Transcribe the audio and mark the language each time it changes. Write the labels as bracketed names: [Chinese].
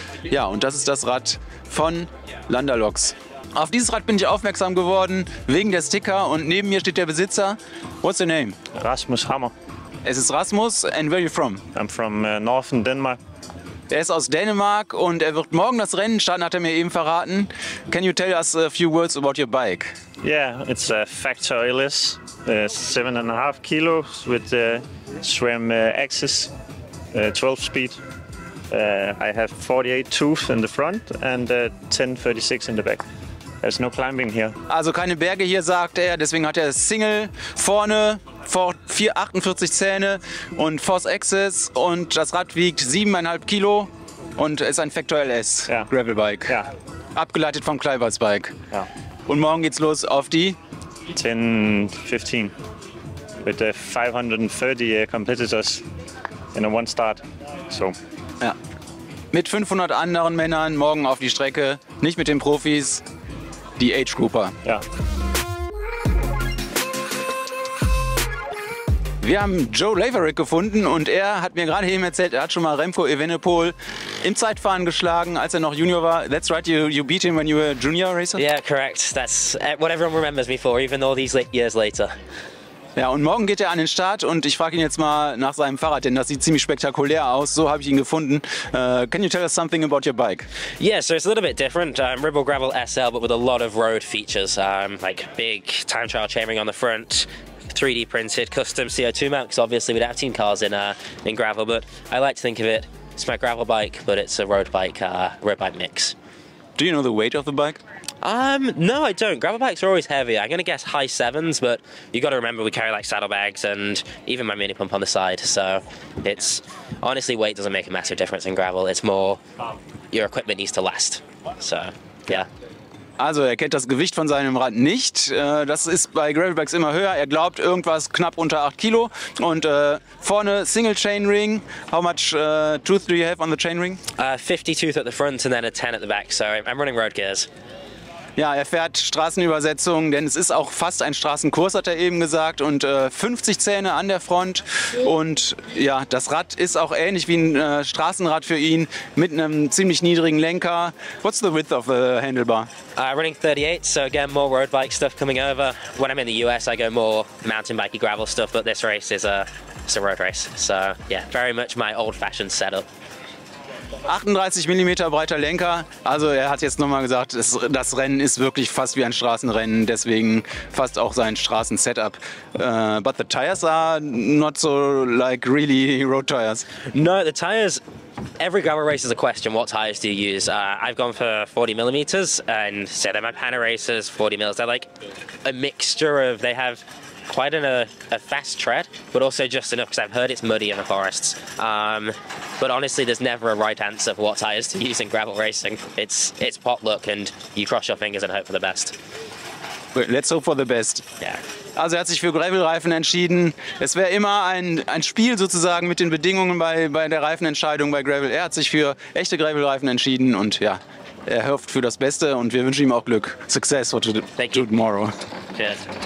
[German] Ja, und das ist das Rad von Landaloks. Auf dieses Rad bin ich aufmerksam geworden wegen der Sticker und neben mir steht der Besitzer. [English] What's your name? Rasmus Hammer. [German] Es ist [English] Rasmus, and where are you from? I'm from Northern Denmark. [German] Er ist aus Dänemark und er wird morgen das Rennen starten, hat er mir eben verraten. [English] Can you tell us a few words about your bike? Yeah, it's a Factor Oilers, 7.5 kilos with SRAM axis, 12-speed. I have 48 tooth in the front and 1036 in the back. There's no climbing here. [German] Also keine Berge hier, sagt er, deswegen hat er Single vorne. 48 Zähne und Force Axis und das Rad wiegt 7,5 Kilo und ist ein Factor LS, ja. Gravel Bike. Ja. Abgeleitet vom Kleiwals Bike. Ja. Und morgen geht's los auf die [English] 10:15 [German] mit [English] 530 Competitors in a one start. So. [German] Ja. Mit 500 anderen Männern morgen auf die Strecke, nicht mit den Profis, die Age Grouper. Ja. Wir haben Joe Laverick gefunden und er hat mir gerade eben erzählt, er hat schon mal Remco Evenepoel im Zeitfahren geschlagen, als er noch Junior war. [English] That's right, you beat him when you were a junior racer? Yeah, correct. That's what everyone remembers me for, even all these years later. [German] Ja, und morgen geht er an den Start und ich frage ihn jetzt mal nach seinem Fahrrad, denn das sieht ziemlich spektakulär aus. So habe ich ihn gefunden. [English] Can you tell us something about your bike? Yeah, so it's a little bit different. Ribble Gravel SL, but with a lot of road features. Like big time trial chainring on the front, 3D printed custom CO2 mount, because obviously we'd have team cars in gravel, but I like to think of it, it's my gravel bike, but it's a road bike mix. Do you know the weight of the bike? No, I don't. Gravel bikes are always heavy. I'm gonna guess high sevens, but you got to remember we carry like saddlebags and even my mini pump on the side, so it's honestly, weight doesn't make a massive difference in gravel. It's more your equipment needs to last, so yeah. [German] Also er kennt das Gewicht von seinem Rad nicht, das ist bei Gravelbikes immer höher, er glaubt irgendwas knapp unter 8 Kilo. Und vorne Single Chainring, [English] how much tooth do you have on the Chainring? 50 tooth at the front and then a 10 at the back, so I'm running road gears. [German] Ja, er fährt Straßenübersetzung, denn es ist auch fast ein Straßenkurs, hat er eben gesagt, und 50 Zähne an der Front. Und ja, das Rad ist auch ähnlich wie ein Straßenrad für ihn, mit einem ziemlich niedrigen Lenker. [English] What's the width of the handlebar? Running 38, so again, more road bike stuff coming over. When I'm in the US, I go more mountain bikey gravel stuff, but this race is it's a road race. So yeah, very much my old fashioned setup. [German] 38 mm breiter Lenker, also er hat jetzt nochmal gesagt, das Rennen ist wirklich fast wie ein Straßenrennen, deswegen fast auch sein Straßensetup. [English] But the tires are not so like really road tires. No, the tires, every gravel race is a question, what tires do you use? I've gone for 40 mm and said they're my Panaracers, 40 mm, they're like a mixture of, they have quite in a fast tread, but also just enough because I've heard it's muddy in the forests. But honestly, there's never a right answer for what tires to use in gravel racing. It's potluck, and you cross your fingers and hope for the best. Let's hope for the best. Yeah. [German] Also er hat sich für Gravel-Reifen entschieden. Es wäre immer ein Spiel sozusagen mit den Bedingungen bei der Reifenentscheidung bei Gravel. Er hat sich für echte Gravel-Reifen entschieden und ja, er hofft für das Beste und wir wünschen ihm auch Glück. [English] Success for tomorrow. Cheers.